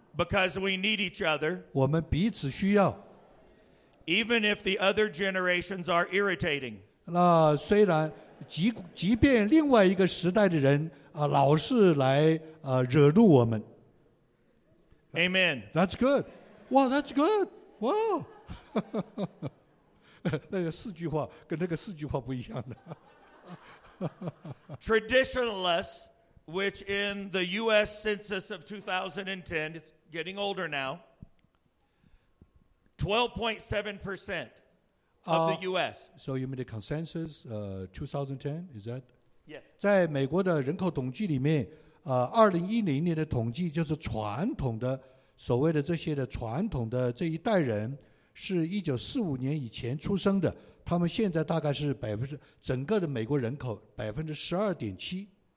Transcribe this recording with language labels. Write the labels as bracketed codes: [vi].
[en] Because we need each other. [zh] 我们彼此需要。 [en] Even if the other generations are irritating. [zh] 那虽然 即便另外一个时代的人，老是来惹怒我们。 [en] Amen. That's good. Wow, that's good. Wow. [zh] 那个四句话跟那个四句话不一样的。 [en] Traditionalists, which in the U.S. Census of 2010, it's getting older now, 12.7%. Of the U.S. So you made a consensus, 2010, is that? Yes. [zh] 在美国的人口统计里面, 2010年的统计就是传统的所谓的这些的传统的这一代人, 是1945年以前出生的, 他们现在大概是 整个的美国人口 12.7%.